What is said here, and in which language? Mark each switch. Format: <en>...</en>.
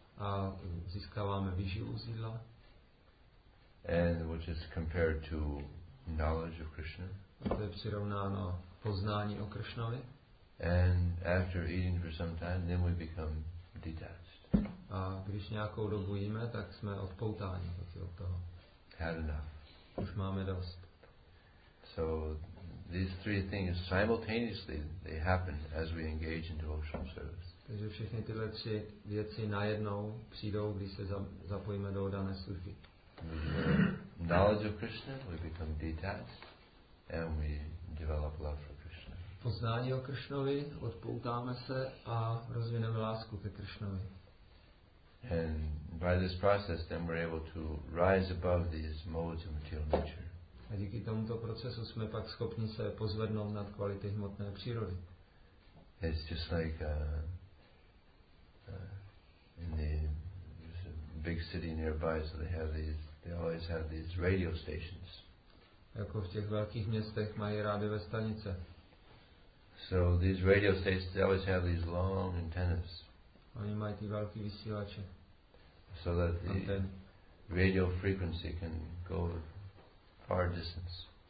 <cs>A získáváme výživu z jídla.</cs> <en>And which is compared to knowledge of Krishna.</en> <cs>A to je přirovnáno poznání o Krishnovi.</cs> <en>And after eating for some time, then we become detached.</en> <cs>A když nějakou dobu jíme, tak jsme odpoutáni od toho.</cs> <en>Had enough.</en> <cs>Už máme dost.</cs> <en>So these three things simultaneously they happen as we engage in devotional service.</en> <cs>Takže všechny tyhle tři věci najednou přijdou, když se zapojíme do dané služby.</cs> <en>Knowledge of Krishna, we become detached, and we develop love for Krishna.</en> <cs>Poznání o Krishnovi, odpoutáme se a rozvineme lásku ke Krishnovi.</cs> <en>And by this process, then we're able to rise above these modes of material nature.</en> <cs>A díky tomuto procesu jsme pak schopni se pozvednout nad kvality hmotné přírody.</cs> <en>It's just like in the big city nearby, so they have these. They always have these radio stations.</en> <cs>Jako v těch velkých městech mají rádiové stanice.</cs> <en>So these radio stations, they always have these long antennas.</en> <cs>Oni mají ty velké vysílače.</cs> <en>So that the radio frequency can go far distance.</en>